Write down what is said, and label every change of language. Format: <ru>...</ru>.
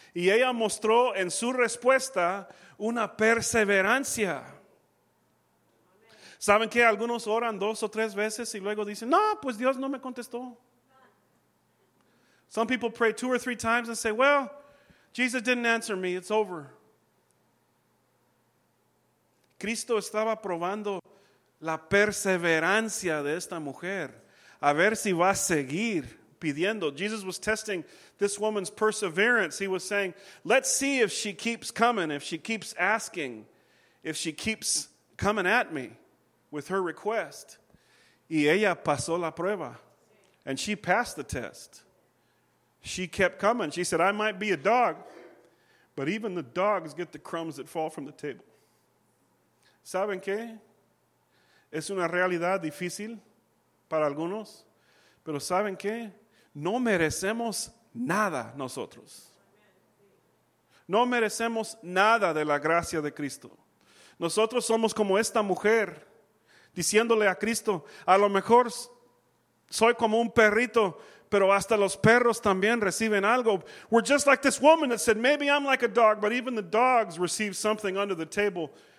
<es>Y ella mostró en su respuesta una perseverancia. ¿Saben que algunos oran dos o tres veces y luego dicen, no, pues Dios no me contestó?</es> <en>Some people pray two or three times and say, well, Jesus didn't answer me, it's over.</en> <es>Cristo estaba probando la perseverancia de esta mujer. A ver si va a seguir pidiendo.</es> <en>Jesus was testing this woman's perseverance. He was saying, let's see if she keeps coming, if she keeps asking, if she keeps coming at me with her request.</en> <es>Y ella pasó la prueba.</es> <en>And she passed the test. She kept coming. She said, I might be a dog, but even the dogs get the crumbs that fall from the table.</en> <es>¿Saben qué? Es una realidad difícil para algunos, pero ¿saben qué? No merecemos nada nosotros. No merecemos nada de la gracia de Cristo. Nosotros somos como esta mujer diciéndole a Cristo, a lo mejor soy como un perrito, pero hasta los perros también reciben algo. We're just like this woman that said, maybe I'm like a dog, but even the dogs receive something under the table.</es>